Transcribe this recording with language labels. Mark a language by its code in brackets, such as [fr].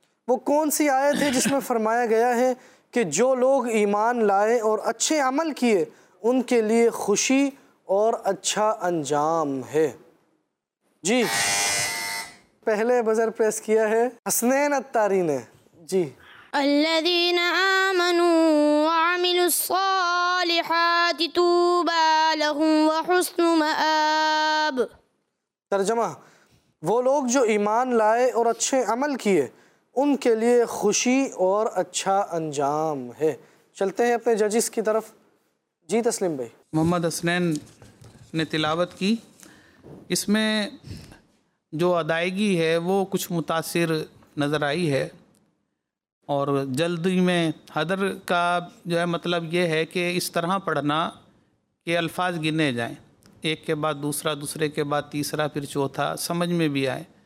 [ur] وہ کون سی آیت ہے جس میں فرمایا گیا ہے کہ جو لوگ ایمان لائے اور اچھے عمل کیے ان کے لیے خوشی اور اچھا انجام ہے؟ جی پہلے بزر پریس کیا ہے حسنین اتاری نے. جی [ar] الذين آمنوا وعملوا الصالحات طوبى لهم وحسن مآب. [ur] ترجمہ, وہ لوگ جو ایمان لائے اور اچھے عمل کیے ان کے لیے خوشی اور اچھا انجام ہے. چلتے ہیں اپنے ججز کی طرف. جی تسلیم بھائی. محمد حسنین نے تلاوت کی, اس میں جو ادائیگی ہے وہ کچھ متاثر نظر آئی ہے, اور جلدی میں حدر کا جو ہے مطلب یہ ہے کہ اس طرح پڑھنا کہ الفاظ گنے جائیں, ایک کے بعد دوسرا, دوسرے کے بعد تیسرا, پھر چوتھا, سمجھ میں بھی آئے.